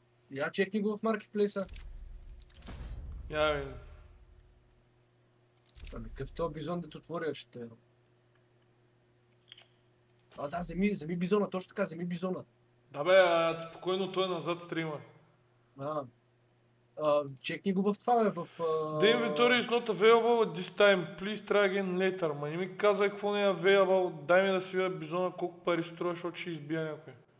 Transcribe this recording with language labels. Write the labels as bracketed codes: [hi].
[bg] Я чекни го в маркетплейса. Я ви. Ами къв тоя бизон да те отвори, ще те е. А да, вземи бизона, точно така, вземи бизона. Да бе, спокойно той е назад стрима. А. Чекни го в това, бе, в... [en] The inventory is not available at this time. Please try again later. [bg] Ма не ми казвай какво не е available. Дай ми да си видя бизона колко пари струва, защото ще избия някой.